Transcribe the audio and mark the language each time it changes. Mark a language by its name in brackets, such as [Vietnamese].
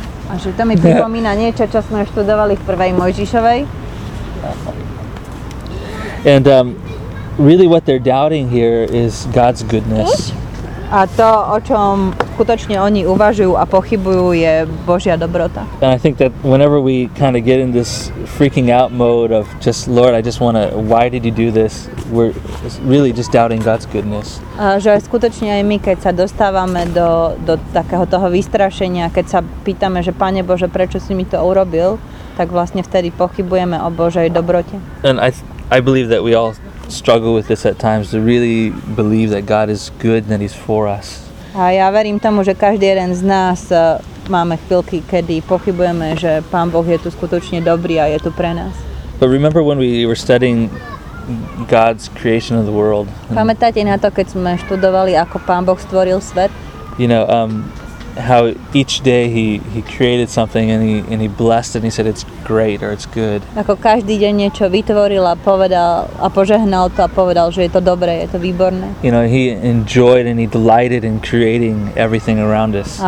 [Slovak] A že to mi pripomína niečo, čo sme študovali v prvej Mojžišovej. [English] And really what they're doubting here is God's goodness. [Slovak] A to, o čom skutočne oni uvažujú a pochybujú, je Božia dobrota. [English] And I think that whenever we kind of get in this freaking out mode of just, Lord, I just want to, why did you do this? We're really just doubting God's goodness. [Slovak] A že skutočne aj my, keď sa dostávame do takého toho vystrašenia, keď sa pýtame, že Pane Bože, prečo si mi to urobil, tak vlastne vtedy pochybujeme o Božej dobrote. [English] And I believe that we all struggle with this at times, to really believe that God is good and that he's for us. [Slovak] A ja verím tomu, že každý jeden z nás máme chvíľky, kedy pochybujeme, že Pán Boh je tu skutočne dobrý a je tu pre nás. [English] But remember when we were studying God's creation of the world. [Slovak] Pamätáte na to, keď sme študovali, ako Pán Boh stvoril svet? [English] You know, how each day he created something and he blessed it and he said it's great or it's good. [Slovak] Ako každý deň niečo vytvoril a povedal a požehnal to a povedal, že je to dobré, je to výborné. [English] You know, he enjoyed and he delighted in creating everything around us.